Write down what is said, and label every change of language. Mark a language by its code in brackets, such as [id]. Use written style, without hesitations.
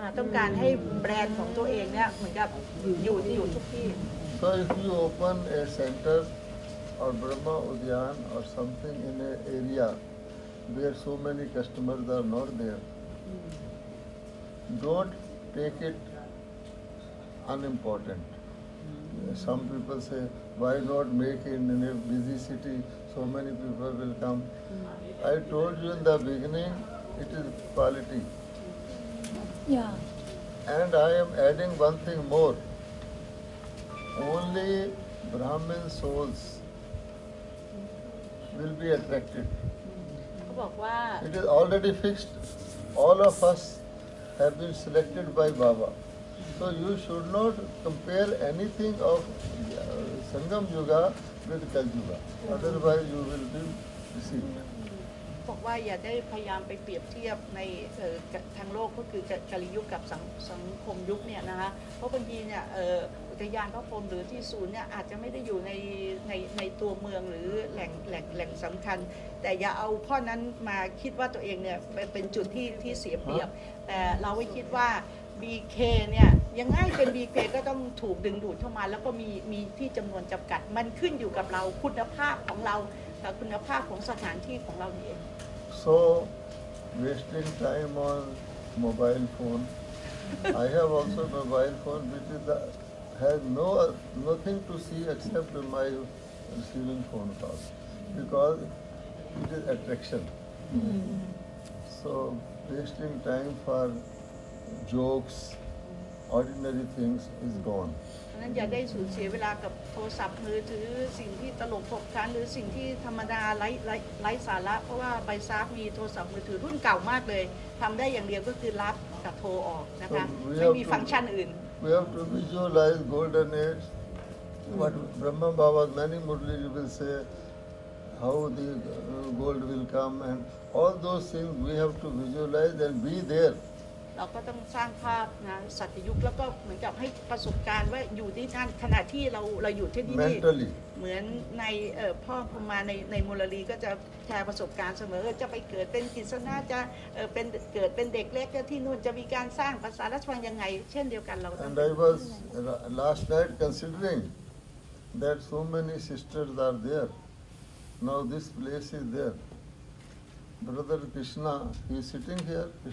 [th] ต้องการให้แบรนด์ของตัวเองเนี่ยเหมือนกับอยู่ทุกที่ [en] So if you open a center or Brahma Udyan or something in an area where so many customers are not there, don't take it unimportant. Some people say, why not make it in a busy city? So many people will come. I told you in the beginning, it is quality. Yeah. And I am adding one thing more. Only Brahmin souls will be attracted. It is already fixed. All of us have been selected by Baba. So you should not compare anything of Sangam Yuga with Kal Yuga. Otherwise you will be deceived. [th] บอกว่าอย่าได้พยายามไปเปรียบเทียบในทางโลกก็คือกาลยุคกับสังคมยุคเนี่ยนะคะเพราะบางทีเนี่ยอุทยานพระพรหมหรือที่ศูนย์เนี่ยอาจจะไม่ได้อยู่ ในตัวเมืองหรือแหล่งสำคัญแต่อย่าเอาข้อนั้นมาคิดว่าตัวเองเนี่ยเป็นจุดที่เสียเปรียบแต่เราไม่คิดว่าบีเคเนี่ยยังไงเป็นบีเคก็ต้องถูกดึงดูดเข้ามาแล้วก็มีที่จำนวนจำกัดมันขึ้นอยู่กับเราคุณภาพของเราแต่คุณภาพของสถานที่ของเราเอง [en] So, wasting time on mobile phone. I have also mobile phone, which has nothing to see except my receiving phone calls, because it is attraction. So, wasting time for jokes, ordinary things is gone. [th] นั้นอย่าได้สูญเสียเวลากับโทรศัพท์มือถือสิ่งที่ตลกขบขันหรือสิ่งที่ธรรมดาไร้สาระเพราะว่าใบซาร์ฟมีโทรศัพท์มือถือรุ่นเก่ามากเลยทำได้อย่างเดียวก็คือรับกับโทรออกนะคะไม่มีฟังก์ชันอื่น [en] We have to visualize golden age. What Brahma Baba, many Murlis will say, how the gold will come and all those things we have to visualize and be there. [th] เราก็ต้องสร้างภาพนะสัตยุคแล้วก็เหมือนกับให้ประสบการณ์ว่าอยู่ที่นั่นขณะที่เราอยู่ที่นี่ [en] Mentally. [th] เหมือนในพ่อพมาในมุรลีก็จะแชร์ประสบการณ์เสมอจะไปเกิดเป็นกิสนาจะเป็นเกิดเป็นเด็กเล็กที่นู่นจะมีการสร้างภาษาราชวังยังไงเช่นเดียวกันเรา [en] And I was last night considering that so many sisters are there. Now this place is there. Brother Krishna, he is sitting here.